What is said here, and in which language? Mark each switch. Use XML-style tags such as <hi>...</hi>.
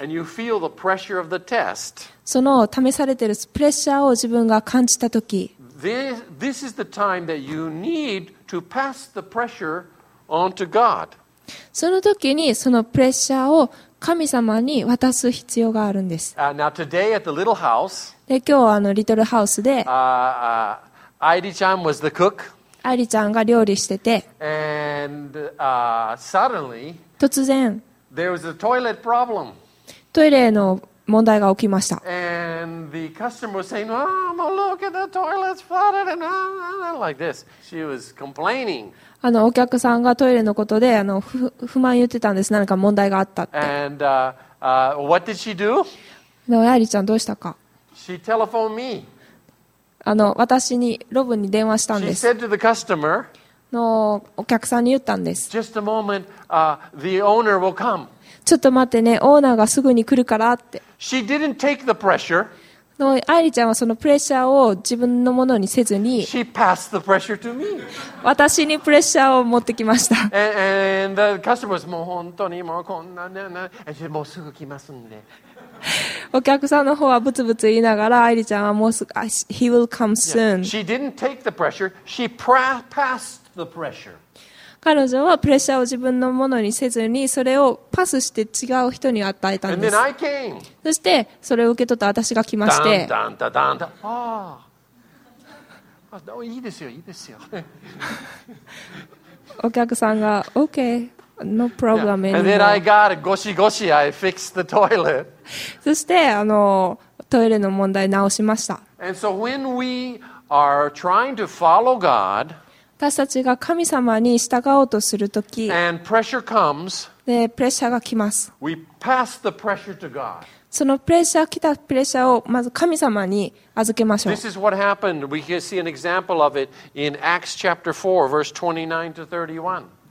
<en>and you feel the pressure of the test,</en> <ja>その試されているプレッシャーを自分が感じた時、</ja> <en>this is the time that you need to pass the pressure on to God.</en> <ja>その時にそのプレッシャーを神様に渡す必要があるんです。</ja> <en>now today at the little house,</en> <ja>で、今日あのリトルハウスで、</ja> <en>アイリちゃん was the cook.</en> <ja>アイリちゃんが料理してて、</ja> <en>and, suddenly,</en> <ja>突然</ja> <en>there was a toilet problem.</en> <ja>トイレの問題が起きました。</ja> <en>And the customer was saying, "Oh, look at the toilet's flooded and like this." She was complaining.</en> <ja>あのお客さんがトイレのことで不満言ってたんです。何か問題があったって。</ja> <en>And what did she do?</en> <ja>アイリちゃんどうしたか。</ja> <en>She telephoned me.</en> <ja>私にロブに電話したんです。</ja> <en>She said to the customer,</en> <ja>のお客さんに言ったんです。</ja> <en>Just a moment, the owner will come.</en> <ja>ちょっと待ってね、オーナーがすぐに来るからって。</ja> <en>She didn't take the pressure.</en> <ja>のアイリちゃんはそのプレッシャーを自分のものにせずに、</ja> <en>She passed the pressure to me.</en> <ja>私にプレッシャーを持ってきました。</ja> <en>And the customer was,</en> <ja>もう本当にもうこんなね、ね、</ja> <en>and she said,</en> <ja>もうすぐ来ますんで。お客さんの方はブツブツ言いながら、アイリちゃんはもうすぐ</ja> <en>He will come soon. She didn't take the pressure. She passed the pressure.</en> <ja>彼女はプレッシャーを自分のものにせずに、それをパスして違う人に与えたんです。</ja> <en>And then I came.</en> <ja>そしてそれを受け取った私が来まして。ダンダンダンダン。ああ。いいですよ、いいですよ。お客さんが OK。</ja> <en>No problem anymore. Yeah. And then I got ゴシゴシ I fixed the toilet.</en> <ja>そしてトイレの問題直しました。</ja> <en>And so when we are trying to follow God,</en> <ja>私たちが神様に従おうとするとき、</ja> <en>and pressure comes,</en> <ja>でプレッシャーが来ます。</ja> <en>We pass the pressure to God.</en> <ja>そのプレッシャー来たプレッシャーをまず神様に預けましょう。</ja> <en>This is what happened. We can see an example of it in Acts chapter 4, verse 29 to 31.</en>